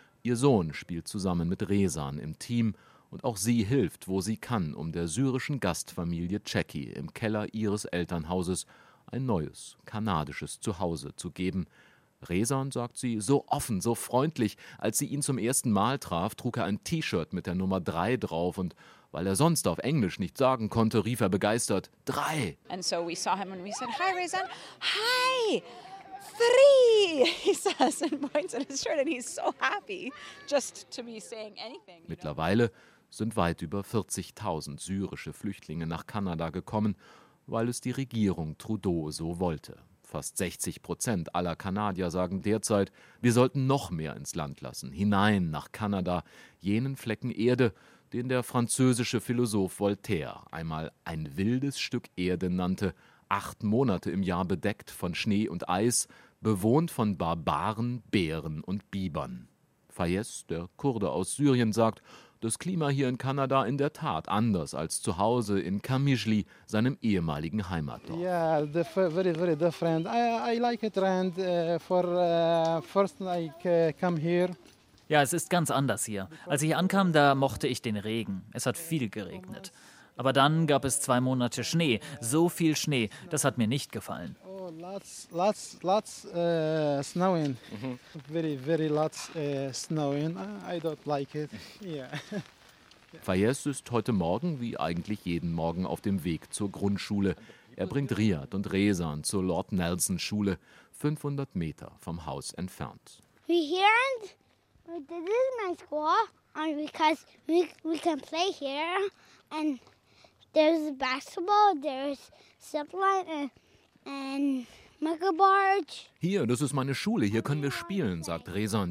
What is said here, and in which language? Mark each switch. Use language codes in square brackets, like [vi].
[de] Ihr Sohn spielt zusammen mit Rezan im Team und auch sie hilft, wo sie kann, um der syrischen Gastfamilie Jackie im Keller ihres Elternhauses ein neues, kanadisches Zuhause zu geben. Rezan, sagt sie, so offen, so freundlich. Als sie ihn zum ersten Mal traf, trug er ein T-Shirt mit der Nummer 3 drauf und weil er sonst auf Englisch nicht sagen konnte, rief er begeistert, 3. [en] And so we saw him and we said, hi Rezan, hi. 3, he says and points at his shirt and he's so happy just to be saying anything. [de] Mittlerweile sind weit über 40.000 syrische Flüchtlinge nach Kanada gekommen, weil es die Regierung Trudeau so wollte. Fast 60% aller Kanadier sagen derzeit, wir sollten noch mehr ins Land lassen, hinein nach Kanada, jenen Flecken Erde, den der französische Philosoph Voltaire einmal ein wildes Stück Erde nannte. 8 Monate im Jahr bedeckt von Schnee und Eis, bewohnt von Barbaren, Bären und Bibern. Fayez, der Kurde aus Syrien, sagt, das Klima hier in Kanada in der Tat anders als zu Hause in Kamishli, seinem ehemaligen Heimatdorf. [en] Yeah, very, very different. I like it and for first I come here. [de] Ja, es ist ganz anders hier. Als ich ankam, da mochte ich den Regen. Es hat viel geregnet. Aber dann gab es 2 Monate Schnee, so viel Schnee, das hat mir nicht gefallen. [en] Oh, lots snowing. Mm-hmm. Very, very lots snowing. I don't like it. Yeah. [de] Fayez ist heute Morgen, wie eigentlich jeden Morgen, auf dem Weg zur Grundschule. Er bringt Riyad und Rezan zur Lord Nelson Schule, 500 Meter vom Haus entfernt. [en] We here and this is my school and because we can play here and there's basketball, there's zipline and microbarge. [de] Hier, das ist meine Schule, hier können wir spielen, sagt Rezan.